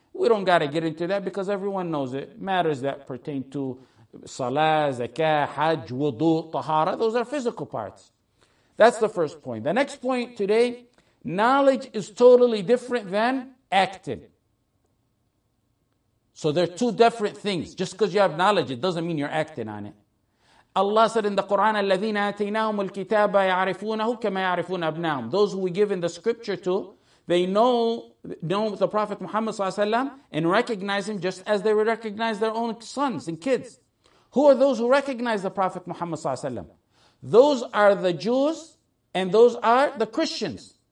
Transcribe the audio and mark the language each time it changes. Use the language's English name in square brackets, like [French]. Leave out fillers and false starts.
[English] We don't got to get into that because everyone knows it. Matters that pertain to salah, zakah, hajj, wudu, tahara, those are physical parts. That's the first point. The next point today, knowledge is totally different than acting. So they're two different things. Just because you have knowledge, it doesn't mean you're acting on it. Allah said in the Quran, [Arabic] الَّذِينَ آتَيْنَاهُمُ الْكِتَابَ يَعْرِفُونَهُ كَمَا يَعْرِفُونَ أَبْنَاهُمْ. [English] Those who we give in the scripture to, they know the Prophet Muhammad sallallahu alaihi wasallam and recognize him just as they would recognize their own sons and kids. Who are those who recognize the Prophet Muhammad sallallahu alaihi wasallam? Those are the Jews and those are the Christians.